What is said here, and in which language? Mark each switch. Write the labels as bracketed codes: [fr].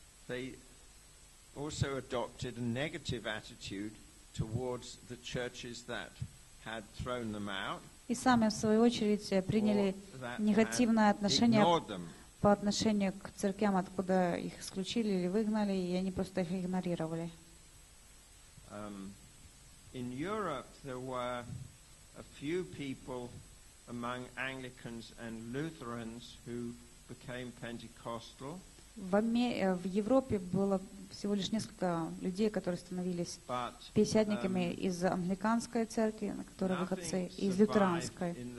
[en] They also adopted a negative attitude towards the churches that had thrown them out. [ru] И сами в свою очередь приняли негативное отношение по отношению к церквям, откуда их исключили или выгнали, и они просто их игнорировали. [en] In Europe there were a few people among Anglicans and Lutherans who became Pentecostal. [ru] В Европе было всего лишь несколько людей, которые становились пятидесятниками из англиканской церкви, которые выходцы из лютеранской.